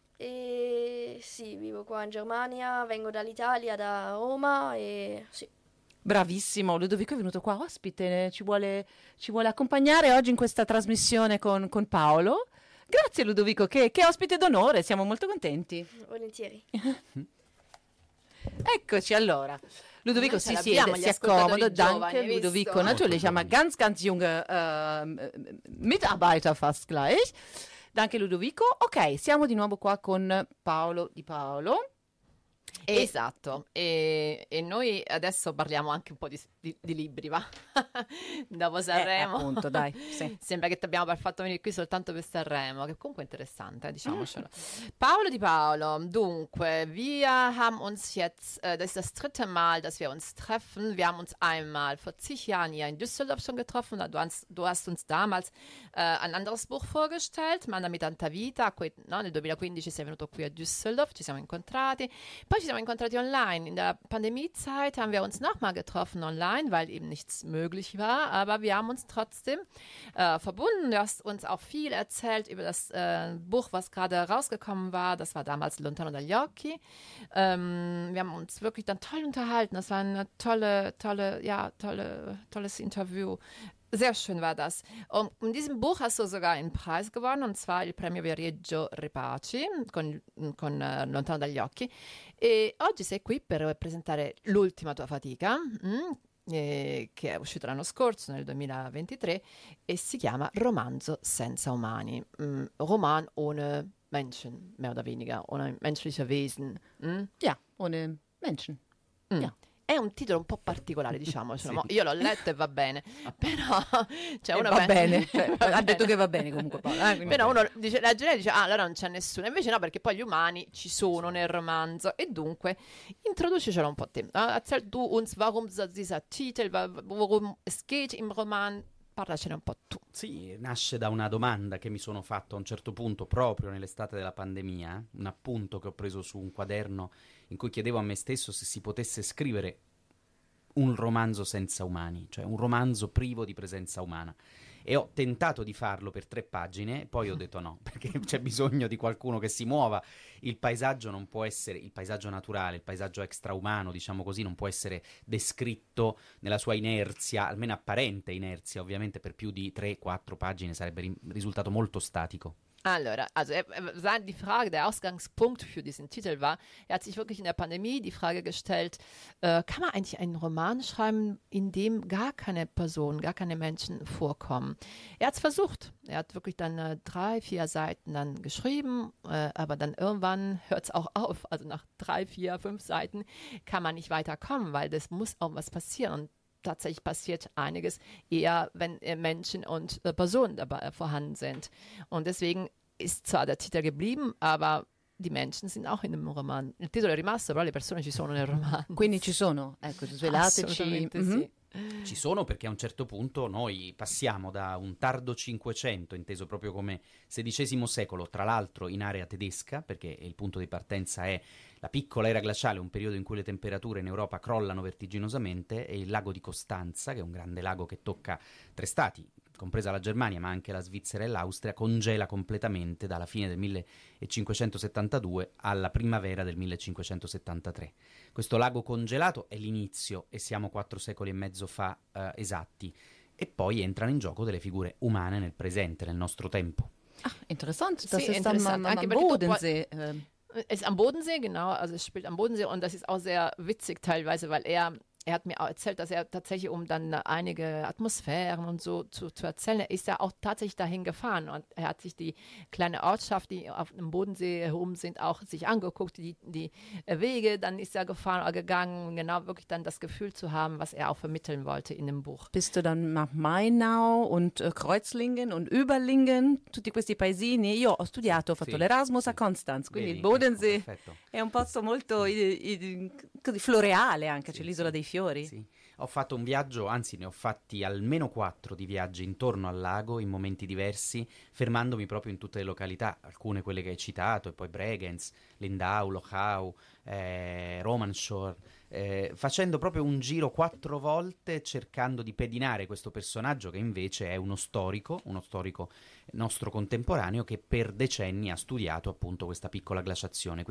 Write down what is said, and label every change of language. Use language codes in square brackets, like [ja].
[it] E sì, vivo qua in Germania, vengo dall'Italia, da Roma e sì. Bravissimo, Ludovico è venuto qua ospite, ci vuole accompagnare oggi in questa trasmissione con Paolo. Grazie Ludovico, che ospite d'onore, siamo molto contenti. Volentieri. Eccoci allora. Ludovico si siede, si accomoda, [de] danke Ludovico, natürlich, ma ganz ganz junge Mitarbeiter fast gleich. [it] Anche Ludovico, ok, siamo di nuovo qua con Paolo Di Paolo. Esatto, e noi adesso parliamo anche un po' di libri, va? Dopo Sanremo. Appunto, dai. Sì. Sembra che ti abbiamo fatto venire qui soltanto per Sanremo, che comunque è interessante, diciamocelo. [de] Paolo Di Paolo, dunque, wir haben uns jetzt, das ist das dritte Mal, dass wir uns treffen. Wir haben uns einmal vor zig Jahren hier in Düsseldorf schon getroffen. Du hast uns damals ein anderes Buch vorgestellt, [it] Manna mit Tanta Vita, nel 2015 sei venuto qui a Düsseldorf, ci siamo incontrati. Poi ci siamo incontrati online, [de] in der Pandemiezeit haben wir uns nochmal getroffen online, weil eben nichts möglich war, aber wir haben uns trotzdem verbunden. Du hast uns auch viel erzählt über das Buch, was gerade rausgekommen war, das war damals Lontano dagli occhi. Wir haben uns wirklich dann toll unterhalten, das war eine tolles Interview. Sehr schön war das. Und in diesem Buch hast du sogar einen Preis gewonnen, und zwar il Premio Viareggio Repaci con Lontano dagli occhi. [it] E oggi sei qui per presentare l'ultima tua fatica, che è uscita l'anno scorso, nel 2023, e si chiama Romanzo senza umani. [de] Roman ohne Menschen, mehr oder weniger, ohne menschliche Wesen. Ja, ohne Menschen, ja. [it] È un titolo un po' particolare, diciamo. Sì. Ma io l'ho letto e va bene. Però cioè uno va bene. Cioè, ha detto che va bene comunque. Paolo, però uno dice, la gente dice, ah, allora non c'è nessuno. Invece no, perché poi gli umani ci sono nel romanzo. E dunque, introducicelo un po' a te. [de] Erzähl du uns, warum dieser Titel, warum es geht im Roman. [it] Parlacene un po' tu. Sì, nasce da una domanda che mi sono fatto a un certo punto, proprio nell'estate della pandemia, un appunto che ho preso su un quaderno in cui chiedevo a me stesso se si potesse scrivere un romanzo senza umani, cioè un romanzo privo di presenza umana. e ho tentato di farlo per 3 pagine, poi ho detto no, perché c'è bisogno di qualcuno che si muova. Il paesaggio non può essere, il paesaggio naturale, il paesaggio extraumano, diciamo così, non può essere descritto nella sua inerzia, almeno apparente inerzia, ovviamente per più di 3-4 pagine sarebbe risultato molto statico. [de] Allora, also die Frage, der Ausgangspunkt für diesen Titel war, er hat sich wirklich in der Pandemie die Frage gestellt, kann man eigentlich einen Roman schreiben, in dem gar keine Personen, gar keine Menschen vorkommen? Er hat es versucht. Er hat wirklich dann 3-4 Seiten dann geschrieben, aber dann irgendwann hört es auch auf. Also nach 3-5 Seiten kann man nicht weiterkommen, weil das muss auch was passieren. Tatsächlich passiert einiges eher, wenn Menschen und Personen dabei vorhanden sind. Und deswegen ist zwar der Titel geblieben, aber die Menschen sind auch in dem Roman. [it] Il titolo è rimasto, però le persone ci sono nel romanzo. Quindi ci sono, ecco, svelateci. Ci sono, perché a un certo punto noi passiamo da un tardo Cinquecento, inteso proprio come XVI secolo, tra l'altro in area tedesca, perché il punto di partenza è la piccola era glaciale, un periodo in cui le temperature in Europa crollano vertiginosamente, e il lago di Costanza, che è un grande lago che tocca 3 stati, compresa la Germania, ma anche la Svizzera e l'Austria, congela completamente dalla fine del 1572 alla primavera del 1573. Questo lago congelato è l'inizio, e siamo 4 secoli e mezzo fa esatti, e poi entrano in gioco delle figure umane nel presente, nel nostro tempo. [de] Ah, interessante, das ist anche am Bodensee. Ist am Bodensee, genau, also es spielt am Bodensee, und das ist auch sehr witzig teilweise, weil er hat mir auch erzählt, dass er tatsächlich, um dann einige Atmosphären und so zu erzählen, ist er auch tatsächlich dahin gefahren, und er hat sich die kleine Ortschaft, die auf dem Bodensee herum sind, auch sich angeguckt, die Wege, dann ist er gefahren oder gegangen, genau, wirklich dann das Gefühl zu haben, was er auch vermitteln wollte in dem Buch. Bist du dann nach Mainau und Kreuzlingen und Überlingen, [it] tutti questi paesini? Io ho studiato, ho fatto l'Erasmus a Konstanz, quindi il Bodensee è un posto molto floreale anche, c'è l'isola dei fiori. Sì. Ho fatto un viaggio, anzi ne ho fatti almeno 4 di viaggi intorno al lago in momenti diversi, fermandomi proprio in tutte le località, alcune quelle che hai citato, e poi Bregenz, Lindau, Lochau, Romanshorn, facendo proprio un giro 4 volte, cercando di pedinare questo personaggio che invece è uno storico nostro contemporaneo, che per decenni ha studiato appunto questa piccola glaciazione.